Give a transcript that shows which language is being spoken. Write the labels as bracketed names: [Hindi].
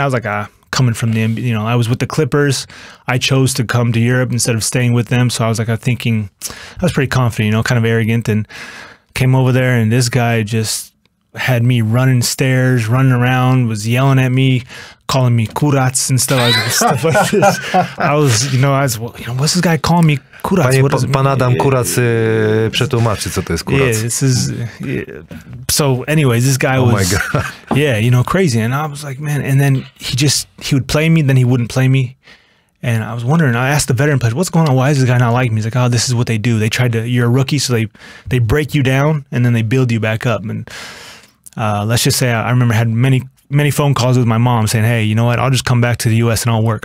[English] I was like, coming from the NBA, you know, I was with the Clippers. I chose to come to Europe instead of staying with them. So I was like, I was pretty confident, you know, kind of arrogant. And came over there and this guy just had me running stairs, running around, was yelling at me, calling me kurats and stuff like this. What's this guy calling me kurats? Panie, what does it mean? [Polish] Pan Adam kurats przetłumaczy, co to jest kurats. [English] Yeah, this is... Yeah. So anyways, this guy was... Oh my God. Yeah, you know, crazy. And I was like, man, and then he would play me, then he wouldn't play me. And I was wondering, I asked the veteran player, what's going on? Why is this guy not like me? He's like, oh, this is what they do. They tried to, you're a rookie, so they break you down and then they build you back up. And let's just say I remember had many, many phone calls with my mom saying, hey, you know what? I'll just come back to the U.S. and I'll work.